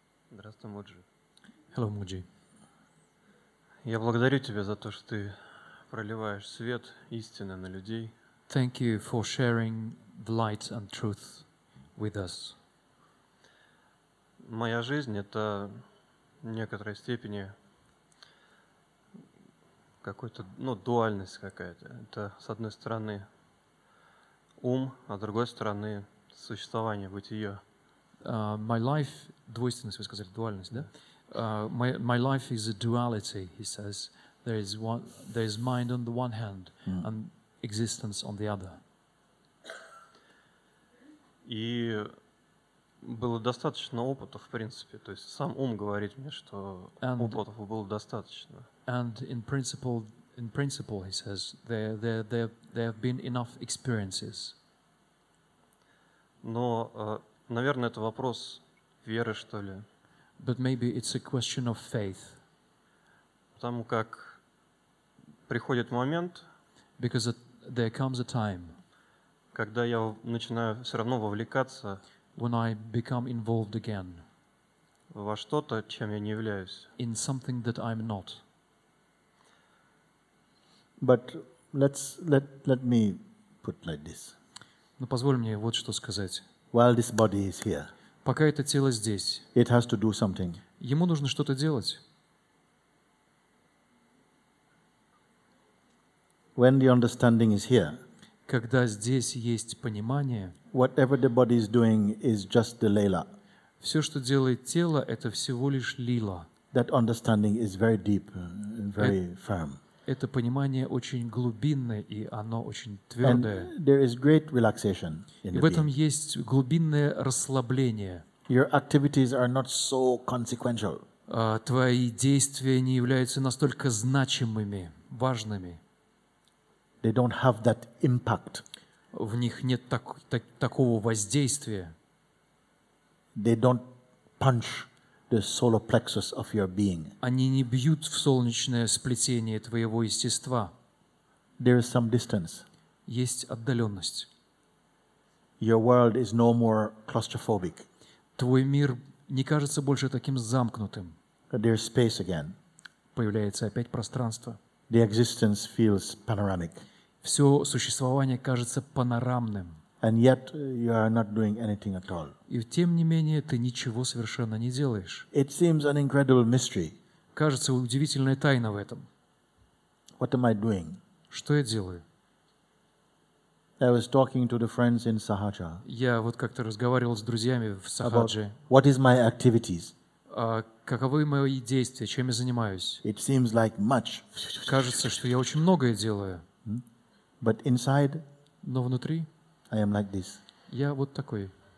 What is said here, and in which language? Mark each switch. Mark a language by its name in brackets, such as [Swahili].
[Russian] Здравствуй, Муджи. [English] Hello, Муджи. [Russian] Я благодарю тебя за то, что ты проливаешь свет истины на людей. [English] Thank you for sharing the light and truth with us. [Russian] Моя жизнь — это в некоторой степени какой-то, ну, дуальность какая-то. Это, с одной стороны, ум, а с другой стороны, существование, бытие. [English] My life, [Russian] двойственность, вы сказали, дуальность, да? [English] My life is a duality, he says. There is mind on the one hand and existence on the other. [Russian] И было достаточно опыта, в принципе. То есть сам ум говорит мне, что опытов было достаточно. [English] And in principle, he says, there have been enough experiences. [Russian] Но наверное, это вопрос веры, что ли. [English] But maybe it's a question of faith. [Russian] Потому как приходит момент, [English] because there comes a time, [Russian] когда я начинаю все равно вовлекаться, [English] when I become involved again, [Russian] во что-то, чем я не являюсь, [English] in something that I'm not. But let me put like this. [Russian] Но позволь мне вот что сказать. [English] While this body is here, [Russian] пока это тело здесь, [English] it has to do something. [Russian] Ему нужно что-то делать. [English] When the understanding is here, [Russian] когда здесь есть понимание, [English] whatever the body is doing is just the lila. [Russian] Все, что делает тело, это всего лишь лила. [English] That understanding is very deep, very firm. [Russian] Это понимание очень глубинное, и оно очень твердое. [English] And there is great relaxation in the [Russian] этом [English] being. [Russian] Есть глубинное расслабление. [English] Your activities are not so consequential. [Russian] Твои действия не являются настолько значимыми, важными. [English] They don't have that impact. [Russian] В них нет такого воздействия. [English] They don't punch the solar plexus of your being. [Russian] Они не бьют в солнечное сплетение твоего естества. [English] There is some distance. [Russian] Есть отдаленность. [English] Your world is no more claustrophobic. [Russian] Твой мир не кажется больше таким замкнутым. [English] There is space again. [Russian] Появляется опять пространство. [English] The existence feels panoramic. [Russian] Все существование кажется панорамным. [English] And yet you are not doing anything at all. [Russian] И тем не менее ты ничего совершенно не делаешь. [English] It seems an incredible mystery. [Russian] Кажется, удивительная тайна в этом. [English] What am I doing? [Russian] Что я делаю? [English] I was talking to the friends in Sahaja. [Russian] Я вот как-то разговаривал с друзьями в Сахадже. [English] What is my activities? [Russian] Каковы мои действия, чем я занимаюсь? [English] It seems like much. [Russian] Кажется, что я очень многое делаю. [English] But inside, [Russian] но внутри, [English] I am like this. [Russian] Я вот такой.